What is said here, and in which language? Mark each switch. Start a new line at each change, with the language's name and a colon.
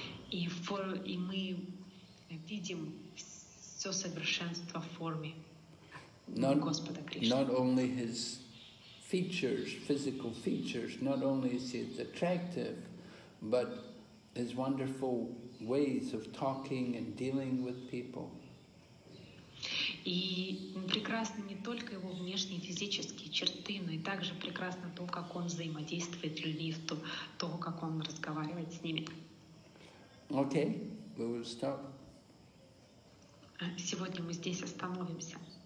Russian: И мы видим все совершенство в форме Господа Кришны.
English: Not only his features, physical features, not only is he attractive, but his wonderful ways of talking and dealing with people.
Russian: И прекрасны не только его внешние физические черты, но и также прекрасно то, как он взаимодействует с людьми, то, как он разговаривает с ними.
English: Okay, we will stop.
Russian: Сегодня мы здесь остановимся.